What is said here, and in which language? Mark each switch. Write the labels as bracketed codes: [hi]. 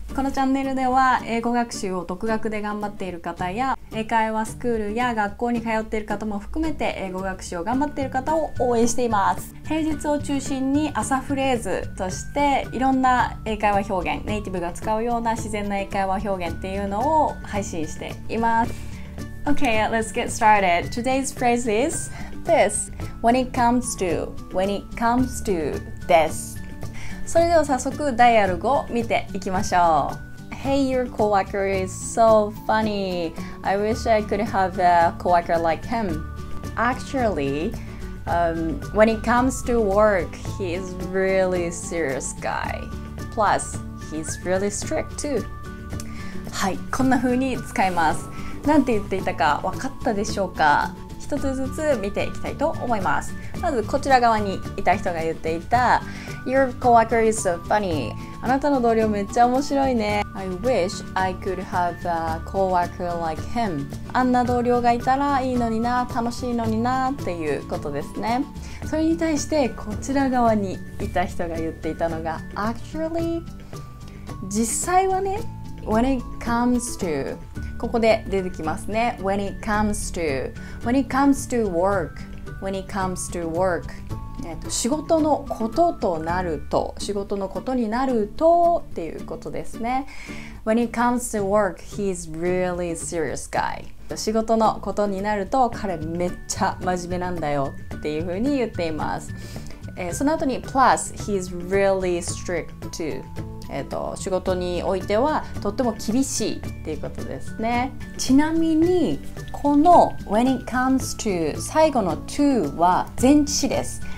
[ja] このチャンネルでは英語学習を独学で頑張っている方や英会話スクールや学校に通っている方も含めて英語学習を頑張っている方を応援しています。平日を中心に朝フレーズとしていろんな英会話表現、ネイティブが使うような自然な英会話表現っていうのを配信しています。 [en] Okay, let's get started. Today's phrase is this. When it comes to, when it comes to this. [ja] それでは早速ダイアログを見ていきましょう。 [en] Hey, your coworker is so funny. I wish I could have a coworker like him. Actually, when it comes to work, he is really serious guy. Plus, he's really strict too. [ja] はい、こんな風に使います。なんて言っていたか分かったでしょうか？一つずつ見ていきたいと思います。まずこちら側にいた人が言っていた、 [en] Your coworker is so funny. [ja] あなたの同僚めっちゃ面白いね。 [en] I wish I could have a coworker like him. [ja] あんな同僚がいたらいいのにな、楽しいのになっていうことですね。それに対してこちら側にいた人が言っていたのが [en] Actually, [ja] 実際はね、 [en] When it comes to、 [ja] ここで出てきますね。 [en] When it comes to、 When it comes to work、 [ja] When it comes to work、仕事のこととなると、仕事のことになるとっていうことですね。 [en] When it comes to work, he's really serious guy. [ja] 仕事のことになると彼めっちゃ真面目なんだよっていうふうに言っています。その後に [en] Plus, he's really strict too. [ja] 仕事においてはとっても厳しいっていうことですね。ちなみにこの [en] When it comes to [ja] 最後の to は前置詞です。